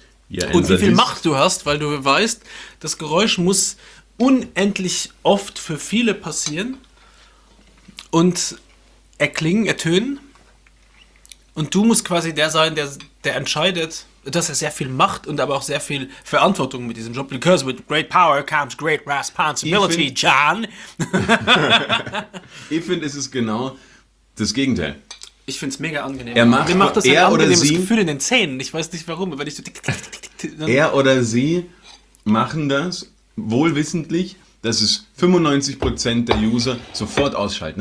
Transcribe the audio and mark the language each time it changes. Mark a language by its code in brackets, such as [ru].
[de] Ja, und wie viel Macht du hast, weil du weißt, das Geräusch muss unendlich oft für viele passieren und erklingen, ertönen. Und du musst quasi der sein, der entscheidet, dass er sehr viel Macht und aber auch sehr viel Verantwortung mit diesem Job. [en] Because with great power comes great responsibility, John. [de] Ich finde, es ist genau das Gegenteil. Ich finde es mega angenehm. Mir macht das ein angenehmes Gefühl in den Zähnen. Ich weiß nicht warum, wenn ich so... Er oder sie machen das wohlwissentlich, dass es 95% der User sofort ausschalten.